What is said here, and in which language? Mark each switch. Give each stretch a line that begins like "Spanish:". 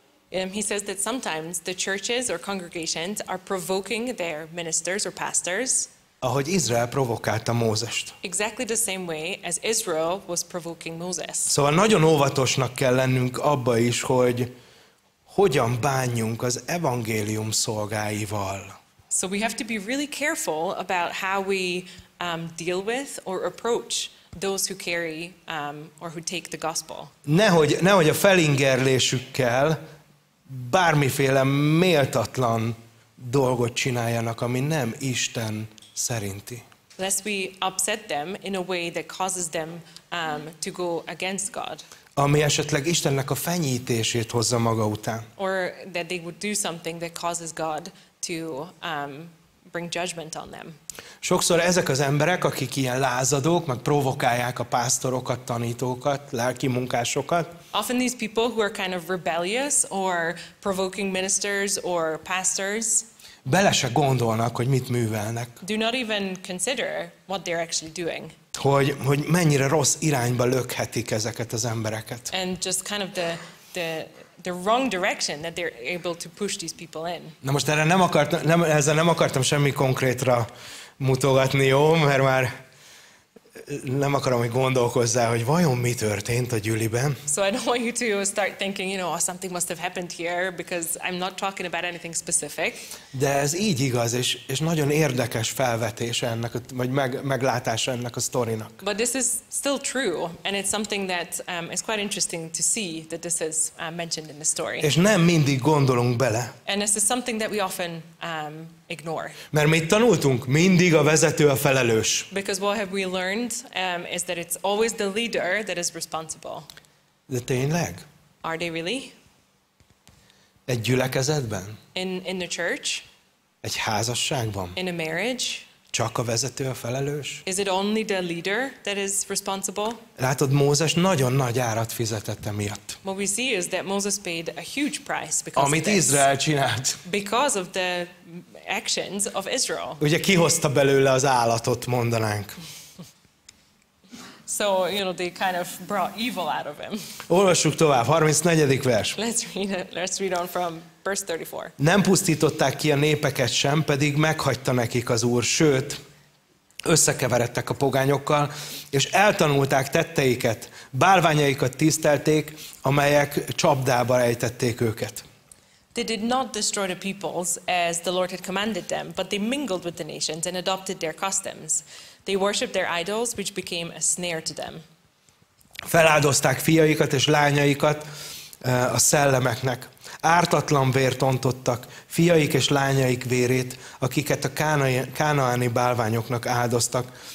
English: He says that sometimes the churches or congregations are provoking their ministers or pastors.
Hungarian: Ahogy Izrael provokálta Mózest.
English: Exactly the same way as Israel was provoking Moses.
Hungarian: Szóval nagyon óvatosnak kell lennünk abba is, hogy hogyan bánjunk az evangélium szolgáival.
English: So we have to be really careful about how we deal with or approach those who carry or who take the gospel.
Hungarian: Nehogy a felingerlésükkel bármiféle méltatlan dolgot csináljanak, ami nem Isten szerinti.
English: Lest we upset them in a way that causes them to go against God.
Hungarian: Ami esetleg Istennek a fenyítését hozza maga után.
English: Or that they would do something that causes God to bring judgment on them.
Hungarian: Sokszor ezek az emberek, akik ilyen lázadók, meg provokálják a pásztorokat, tanítókat, lelki munkásokat.
English: Often these people who are kind of rebellious or provoking ministers or pastors.
Hungarian: Bele se gondolnak, hogy mit művelnek.
English: Do not even consider what they're actually doing.
Hungarian: Hogy mennyire rossz irányba lökhetik ezeket az embereket.
English: And just kind of the wrong direction that they're able to push these people in.
Hungarian: Na most erre nem akartam semmi konkrétra mutogatni, jó, mert már nem akarom, hogy gondolkozzál, hogy vajon mi történt a gyüliben.
English: So I don't want you to start thinking, you know, something must have happened here, because I'm not talking about anything specific.
Hungarian: De ez így igaz, és nagyon érdekes felvetés ennek, vagy meglátása ennek a sztorinak.
English: But this is still true, and it's something that is quite interesting to see that this is mentioned in the story.
Hungarian: És nem mindig gondolunk bele.
English: And this is something that we often ignore.
Hungarian: Mert mit tanultunk? Mindig a vezető a felelős.
English: Because what have we learned is that it's always the leader that is responsible.
Hungarian: De tényleg?
English: Are they really?
Hungarian: Egy gyülekezetben?
English: In the church?
Hungarian: Egy házasságban?
English: In a marriage?
Hungarian: Csak a vezető a felelős?
English: Is it only the leader that is responsible?
Hungarian: Látod, Mózes nagyon nagy árat fizetett emiatt.
English: What we see is that Moses paid a huge price because of this.
Hungarian: Amit Izrael csinált.
English: Because of the actions of Israel.
Hungarian: Ugye kihozta belőle az állatot, mondanánk.
English: So, you know, they kind of brought evil out of him.
Hungarian: Olvassuk tovább, 34. vers.
English: Let's read on from verse 34.
Hungarian: Nem pusztították ki a népeket sem, pedig meghagyta nekik az Úr, sőt, összekeveredtek a pogányokkal, és eltanulták tetteiket, bálványaikat tisztelték, amelyek csapdába rejtették őket.
English: They did not destroy the peoples as the Lord had commanded them, but they mingled with the nations and adopted their customs. They worshipped their idols, which became a snare to them.
Hungarian: Feláldozták fiaikat és lányaikat a szellemeknek. Ártatlan vért ontottak fiaik és lányaik vérét, akiket a kánaáni bálványoknak áldoztak.